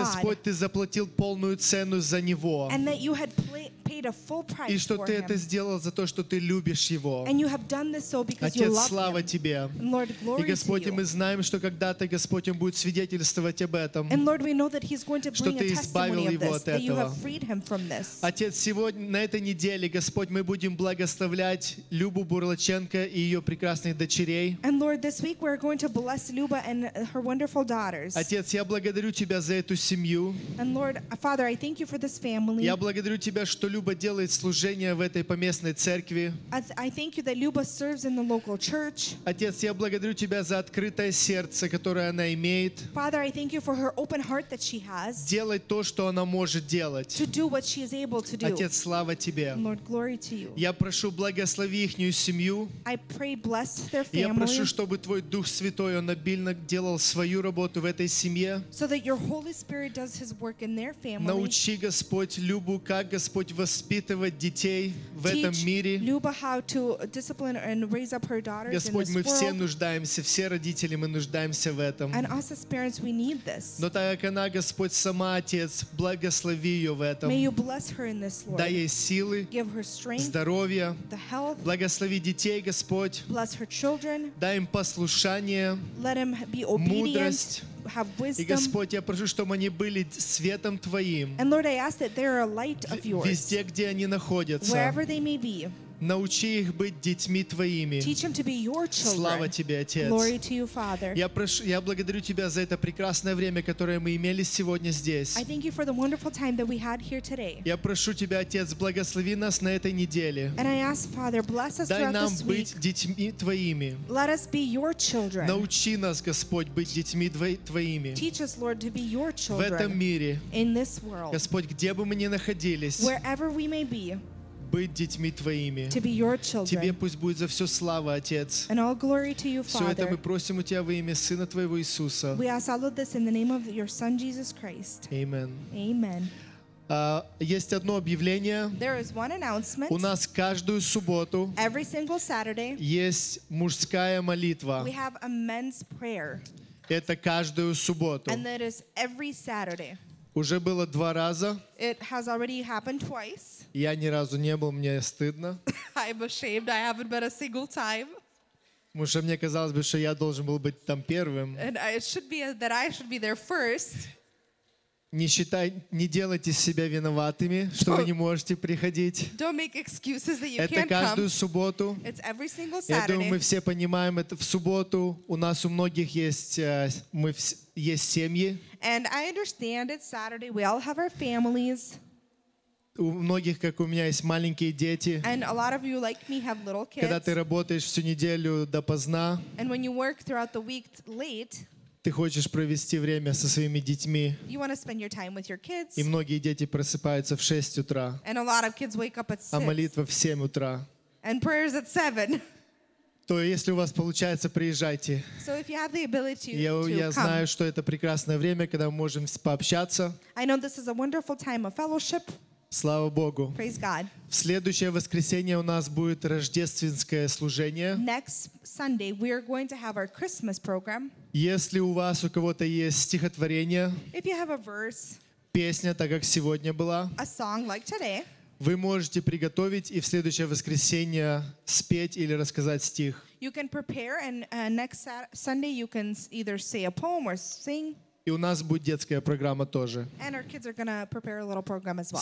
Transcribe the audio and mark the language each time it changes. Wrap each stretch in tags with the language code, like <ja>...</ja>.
<ru>Господь, ты заплатил полную цену за Него.</ru> <en>And that you had paid a full price</en> <ru>И что</ru> <en>for</en> <ru>ты</ru> <en>him.</en> <ru>Это сделал за то, что ты любишь Его.</ru> <en>And you have done this so because</en> <ru>Отец,</ru> <en>you love</en> <ru>слава</ru> <en>him.</en> <ru>Тебе.</ru> <en>And Lord, glory</en> <ru>И, Господь,</ru> <en>to you.</en> <ru>Мы знаем, что когда-то Господь Он будет свидетельствовать об этом.</ru> <en>And Lord, we know that he's going to bring</en> <ru>что</ru> <en>a testimony of this, that you have freed him from this.</en> <ru>Отец, сегодня, на этой неделе, Господь, мы будем благословлять Любу Бурлаченко и ее прекрасные дочерей.</ru> <en>And Lord, this week we're going to bless Luba and her wonderful daughters.</en> <ru>Отец, я благодарю тебя за эту семью.</ru> <en>And Lord, Father, I thank you for this family.</en> <ru>Я благодарю тебя, что Люба делает служение в этой поместной церкви.</ru> <en>I thank you that Luba serves in the local church.</en> <ru>Отец, я благодарю тебя за открытое сердце, которое она имеет.</ru> <en>Father, I thank you for her open heart that she has.</en> <ru>Делать то, что она может делать.</ru> <en>To do what she is able to do.</en> <ru>Отец, слава тебе.</ru> <en>And Lord, glory to you.</en> <ru>Я прошу, благослови ихнюю семью.</ru> <en>I pray bless their family.</en> <ru>Я прошу, чтобы твой Дух Святой, он обильно делал свою работу в этой семье.</ru> <en>So that your Holy Spirit does his work in their family.</en> <ru>Научи, Господь, Любу, как, Господь, воспитывать детей в этом мире.</ru> <en>Teach Luba how to discipline and raise up her daughters</en> <ru>Господь,</ru> <en>in this</en> <ru>мы</ru> <en>world.</en> <ru>Все нуждаемся, все родители, мы нуждаемся в этом.</ru> <en>And us as parents, we need this.</en> <ru>Но так как она, Господь, сама Отец, благослови ее в этом.</ru> <en>May you bless her in this, Lord.</en> <ru>Дай ей силы,</ru> <en>give her strength,</en> <ru>здоровья,</ru> <en>the health.</en> <ru>Благослови детей, Господь.</ru> <en>Bless her children.</en> <ru>Дай им послушание,</ru> <en>let him be obedient,</en> <ru>мудрость.</ru> <en>Have wisdom.</en> <ru>И Господь, я прошу, чтобы они были светом Твоим.</ru> <en>And Lord, I ask that they are a light of yours.</en> <ru>Везде, где они находятся.</ru> <en>Wherever they may be.</en> <ru>Научи их быть детьми Твоими.</ru> <en>Teach them to be your children.</en> <ru>Слава Тебе, Отец.</ru> <en>Glory to you, Father.</en> <ru>Я благодарю Тебя за это прекрасное время, которое мы имели сегодня здесь.</ru> <en>I thank you for the wonderful time that we had here today.</en> <ru>Я прошу Тебя, Отец, благослови нас на этой неделе.</ru> <en>And I ask, Father, bless us</en> <ru>Дай</ru> <en>throughout</en> <ru>нам</ru> <en>this</en> <ru>быть</ru> <en>week.</en> <ru>Детьми Твоими.</ru> <en>Let us be your children.</en> <ru>Научи нас, Господь, быть детьми Твоими.</ru> <en>Teach us, Lord, to be your children.</en> <ru>В этом мире.</ru> <en>In this world.</en> <ru>Господь, где бы мы ни находились.</ru> <en>Wherever we may be.</en> <ru>Быть детьми Твоими.</ru> <en>To be your children.</en> <ru>Тебе пусть будет за все слава, Отец.</ru> <en>And all glory to you, Father.</en> <ru>Все это мы просим у Тебя во имя Сына Твоего Иисуса.</ru> <en>We ask all of this in the name of your Son, Jesus Christ. Amen. Amen.</en> <ru>Есть одно объявление.</ru> <en>There is one announcement.</en> <ru>У нас каждую субботу</ru> <en>every single Saturday</en> <ru>есть мужская молитва.</ru> <en>We have a men's prayer.</en> <ru>Это каждую субботу.</ru> <en>And that is every Saturday.</en> <ru>Уже было два раза.</ru> <en>It has already happened twice.</en> <ru>Я ни разу не был, мне стыдно.</ru> <en>I'm ashamed, I haven't been a single time.</en> <ru>Потому что мне казалось бы, что я должен был быть там первым.</ru> <en>And it should be that I should be there first.</en> <ru>Не делайте себя виноватыми, что вы не можете приходить.</ru> <en>Don't make excuses that you can't</en> <ru>Это каждую</ru> <en>come.</en> <ru>Субботу.</ru> <en>It's every single Saturday.</en> <ru>Я думаю, мы все понимаем это. В субботу у нас у многих есть, мы есть семьи.</ru> <en>And I understand it's Saturday. We all have our families.</en> <ru>У многих, как у меня, есть маленькие дети.</ru> <en>And a lot of you, like me, have little kids.</en> <ru>Когда ты работаешь всю неделю допоздна.</ru> <en>And when you work throughout the week late.</en> <ru>Ты хочешь провести время со своими детьми.</ru> <en>You want to spend your time with your kids.</en> <ru>И многие дети просыпаются в 6 утра.</ru> <en>And a lot of kids wake up at 6.</en> <ru>А молитва в 7 утра.</ru> <en>And prayers at 7.</en> <ru>то если у вас получается, приезжайте.</ru> <en>So if you have the ability to come.</en> <ru>Я знаю, что это прекрасное время, когда мы можем пообщаться.</ru> <en>I know this is a wonderful time of fellowship.</en> <ru>Слава Богу.</ru> <en>Praise God.</en> <ru>В следующее воскресенье у нас будет рождественское служение.</ru> <en>Next Sunday we are going to have our Christmas program.</en> <ru>Если у вас у кого-то есть стихотворение,</ru> <en>if you have a verse,</en> <ru>песня, так как сегодня была,</ru> <en>a song like today,</en> <ru>вы можете приготовить и в следующее воскресенье спеть или рассказать стих.</ru> <en>You can prepare and next Sunday you can either say a poem or sing.</en> <ru>И у нас будет детская программа тоже.</ru> <en>And our kids are gonna prepare a little program as well.</en>